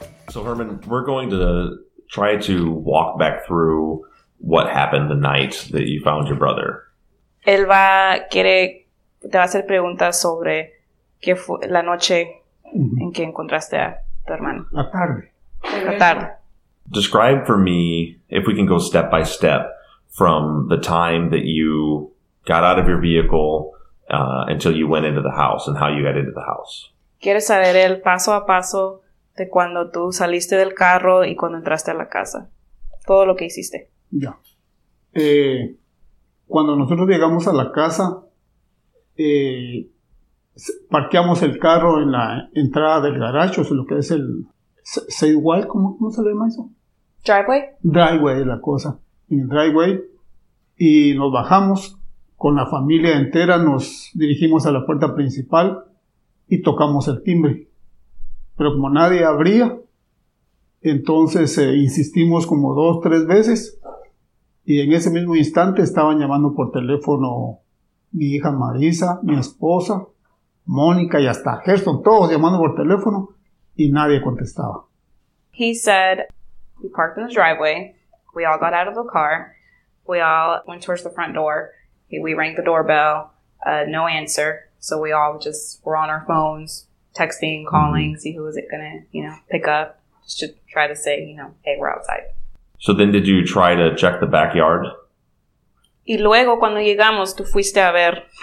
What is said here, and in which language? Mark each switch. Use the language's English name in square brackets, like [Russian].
[English] So Herman, we're going to try to walk back through what happened the night that you found your brother. [Spanish] Él va quiere te va a hacer preguntas sobre qué fue la noche en que encontraste a tu hermano. La tarde. La tarde. [English] Describe for me, if we can go step by step, from the time that you got out of your vehicle until you went into the house and how you got into the house. [Spanish] ¿Quieres saber el paso a paso de cuando tú saliste del carro y cuando entraste a la casa? Todo lo que hiciste. Ya. Cuando nosotros llegamos a la casa, parqueamos el carro en la entrada del garaje, o sea, lo que es el sidewalk, ¿cómo se le llama eso? [English] ¿Driveway? [Spanish] Driveway es la cosa. En el driveway. Y nos bajamos con la familia entera. Nos dirigimos a la puerta principal y tocamos el timbre. Pero como nadie abría, entonces insistimos como 2-3 veces. Y en ese mismo instante estaban llamando por teléfono mi hija Marisa, mi esposa, Mónica y hasta Gerson. Todos llamando por teléfono y nadie contestaba. [English] He said... We parked in the driveway. We all got out of the car. We all went towards the front door. We rang the doorbell. No answer. So we all just were on our phones, texting, calling, see who was it going to, you know, pick up. Just to try to say, you know, hey, we're outside. So then did you try to check the backyard? [Spanish] Y luego, cuando llegamos, tú fuiste a ver.